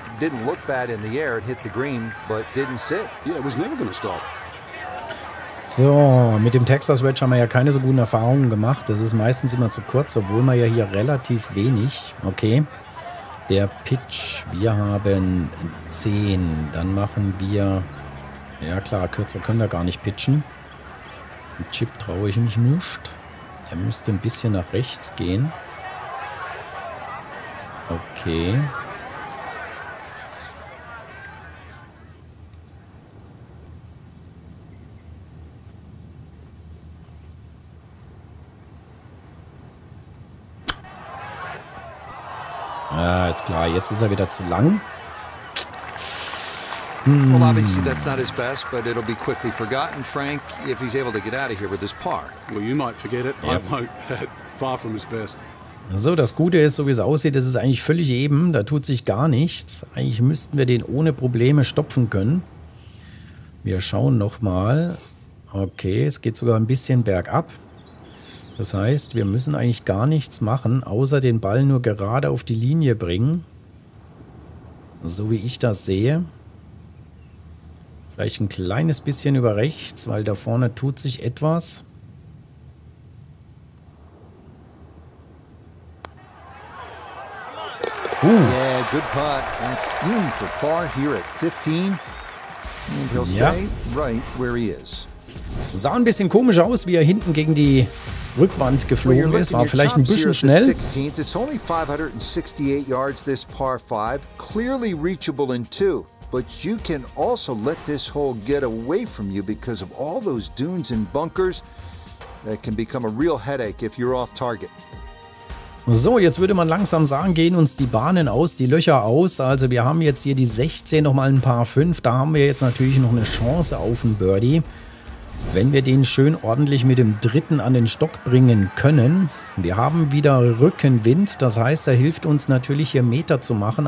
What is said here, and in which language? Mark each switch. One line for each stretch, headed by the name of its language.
English: Didn't look bad in the air. It hit the green, but didn't sit. Yeah, it was never gonna stop.
German: So, mit dem Texas Wedge haben wir ja keine so guten Erfahrungen gemacht. Das ist meistens immer zu kurz, obwohl man ja hier relativ wenig. Okay. Der Pitch, wir haben 10. Dann machen wir, ja klar, kürzer können wir gar nicht pitchen. Dem Chip traue ich mich nicht. Er müsste ein bisschen nach rechts gehen. Okay. Klar, jetzt ist er wieder zu lang.
English: Well, obviously that's not his best, but it'll be quickly forgotten, Frank, if he's able to get out of here with this par. Well, you might forget it. Yep. I might. Far from his best.
German: So, das Gute ist, so wie es aussieht, es ist eigentlich völlig eben. Da tut sich gar nichts. Eigentlich müssten wir den ohne Probleme stopfen können. Wir schauen nochmal. Okay, es geht sogar ein bisschen bergab. Das heißt, wir müssen eigentlich gar nichts machen, außer den Ball nur gerade auf die Linie bringen. So wie ich das sehe. Vielleicht ein kleines bisschen über rechts, weil da vorne tut sich etwas.
English: Yeah, good putt. That's in for par here at 15. And he'll stay right where he is.
German: Sah ein bisschen komisch aus, wie er hinten gegen die Rückwand geflogen ist, war vielleicht ein bisschen schnell.
English: It's only 568 yards this par 5, clearly reachable in 2, but you can also let this hole get away from you because of all those dunes and bunkers that can become a real headache if you're off target.
German: So, jetzt würde man langsam sagen, gehen uns die Bahnen aus, die Löcher aus. Also, wir haben jetzt hier die 16 noch mal ein paar 5, da haben wir jetzt natürlich noch eine Chance auf ein Birdie. Wenn wir den schön ordentlich mit dem dritten an den Stock bringen können. Wir haben wieder Rückenwind. Das heißt, er hilft uns natürlich hier Meter zu machen.